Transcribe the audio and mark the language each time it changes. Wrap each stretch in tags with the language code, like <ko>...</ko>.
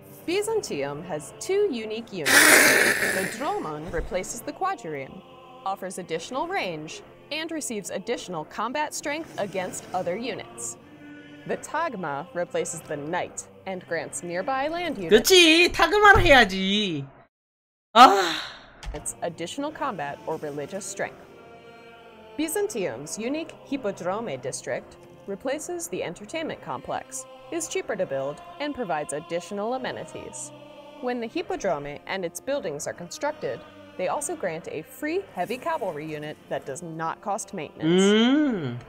<en>Byzantium has two unique units. The Dromon replaces the Quadrian, offers additional range, and receives additional combat strength against other units. The Tagma replaces the Knight and grants nearby land units.</en> <ko>그렇지, 타그마로 해야지. 아.</ko> <en>It's additional combat or religious strength. Byzantium's unique Hippodrome district replaces the entertainment complex, is cheaper to build, and provides additional amenities. When the Hippodrome and its buildings are constructed, they also grant a free heavy cavalry unit that does not cost maintenance.</en>